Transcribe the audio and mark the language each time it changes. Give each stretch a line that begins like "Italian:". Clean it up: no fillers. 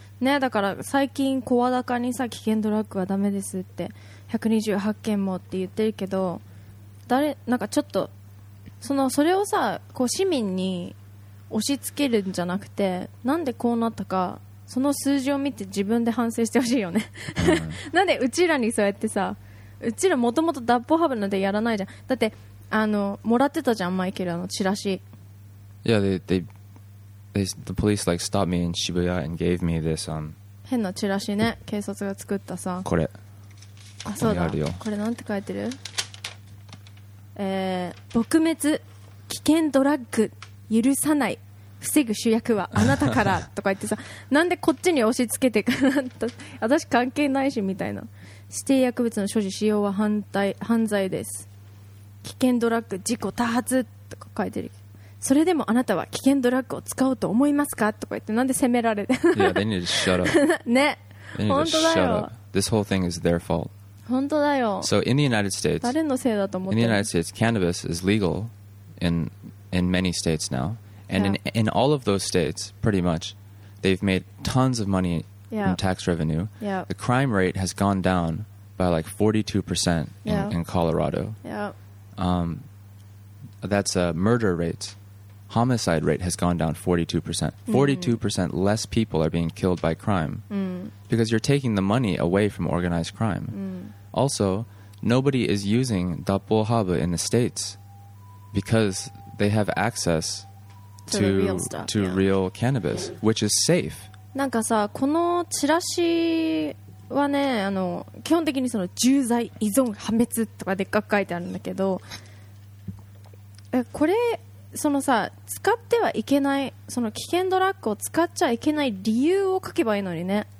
Japanese: ね、だから最近小裸にさ危険ドラッグはダメですって128件もって言ってるけど誰なんかちょっとそれをさこう市民に押し付けるんじゃなくてなんでこうなったかその数字を見て自分で反省してほしいよね、うん、なんでうちらにそうやってさうちらもともと脱法ハブなんてやらないじゃんだってあのもらってたじゃんマイケルのチラシ
English: Yeah the police like stopped me in Shibuya and gave me this
Japanese: 変なチラシね警察が作ったさこれあそうだこれなんて書いてる撲滅危険ドラッグ許さない防ぐ主役はあなたからとか言ってさなんでこっちに押し付けてくるんだ私関係ないしみたいな指定薬物の所持使用は犯罪です。危険ドラッグ事故多発とか書いてる。それでもあなたは危険ドラッグを使おうと思いますかとか言って、なんで責められて。
English: Yeah, they need to shut up.
Japanese: ね、本当だよ。
English: This whole thing is their fault.
Japanese: 本当だよ。
English: So in the United States,
Japanese: 誰のせいだと思ってる。
English: In the United States, cannabis is legal in many states now, and in all of those states, pretty much, they've made tons of money in tax revenue. Yeah. The crime rate has gone down by like 42% in Colorado. Yeah. That's a murder rate. Homicide rate has gone down 42%. 42% less people are being killed by crime because you're taking the money away from organized crime. Also, nobody is using Dapolhaba in the States because they have access to the real stuff, to real cannabis, which is safe.
Japanese: なんかさ、このチラシはね、あの、基本的にその重罪依存破滅とかでっかく書いてあるんだけど、これそのさ、使ってはいけない、その危険ドラッグを使っちゃいけない理由を書けばいいのにね。